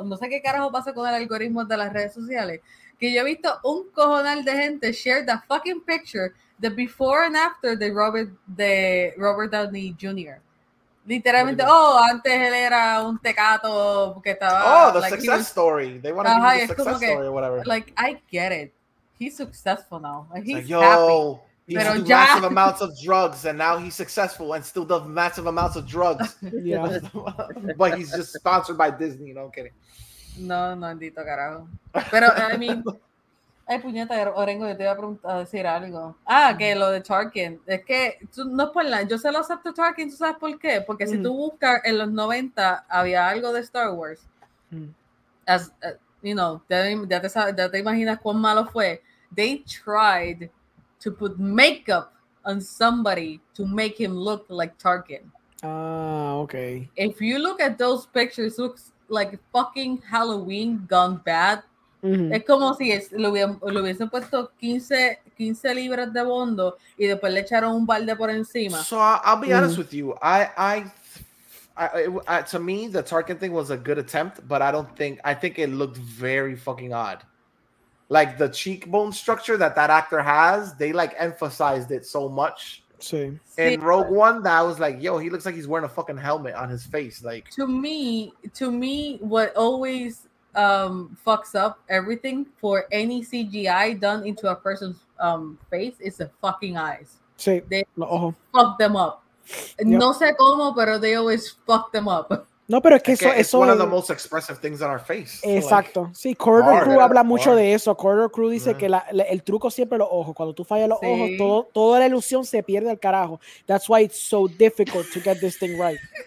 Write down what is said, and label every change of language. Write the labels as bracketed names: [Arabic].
[English] Sally was like, [Spanish] que yo he visto un cojonal de gente [English] share the fucking picture, the before and after the Robert Downey Jr. [Spanish] Literalmente, antes él era un tecato que estaba... [English] Oh, the like, success was, story. They want to be the success story or whatever. Like, I get it. He's successful now. Like, he's He used to do massive amounts of drugs, and now he's successful and still does massive amounts of drugs. Yeah. But he's just sponsored by Disney. No, I'm kidding. [Spanish] No, no, andito carajo. Pero, [English] I mean, [Spanish] ay, puñeta, Orengo, yo te iba a decir algo. Ah, que lo de Tarkin. Es que, tú, no es por la, yo se lo acepto a Tarkin, ¿tú sabes por qué? Porque si tú buscas en los 90 había algo de Star Wars. Ya te imaginas cuán malo fue. [English] They tried to put makeup on somebody to make him look like Tarkin. Okay. If you look at those pictures, looks like fucking Halloween gone bad. Mm-hmm. [Spanish] Es como si lo hubiesen puesto 15 libras de bondo y después le echaron un balde por encima. [English] So I'll be honest with you. To me, the Tarkin thing was a good attempt, but I think it looked very fucking odd. Like the cheekbone structure that actor has, they like emphasized it so much. See. In Rogue One, that was like, yo, he looks like he's wearing a fucking helmet on his face. Like to me, what always fucks up everything for any CGI done into a person's face is the fucking eyes. See. They fuck them up. Yep. [Spanish] No sé cómo, pero [English] they always fuck them up. [Spanish] No, pero es que eso es [English] one of the most expressive things on our face. [Spanish] Exacto. So, like, sí, Corridor Crew habla mucho de eso. Corridor Crew dice que el truco siempre los ojos. Cuando tú fallas los ojos, toda la ilusión se pierde al carajo. [English] That's why it's so difficult to get this thing right.